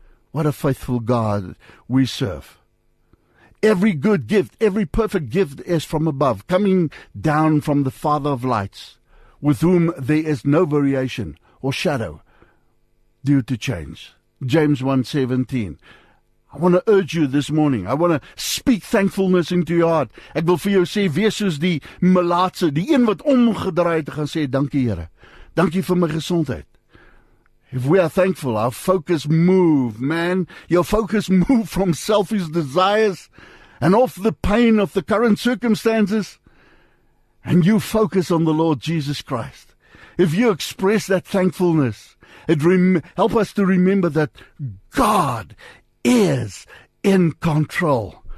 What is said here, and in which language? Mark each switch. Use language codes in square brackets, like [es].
[en] What a faithful God we serve. Every good gift, every perfect gift is from above, coming down from the Father of lights, with whom there is no variation or shadow due to change. James 1:17. I want to urge you this morning. I want to speak thankfulness into your heart. [af] Ek wil vir jou sê, wees soos die melaatse, die een wat omgedraai het, gaan sê, dankie Here. Dankie vir my gesondheid. [en] If we are thankful, our focus move, man. Your focus move from selfish desires and off the pain of the current circumstances. And you focus on the Lord Jesus Christ. If you express that thankfulness, it help us to remember that God is in control.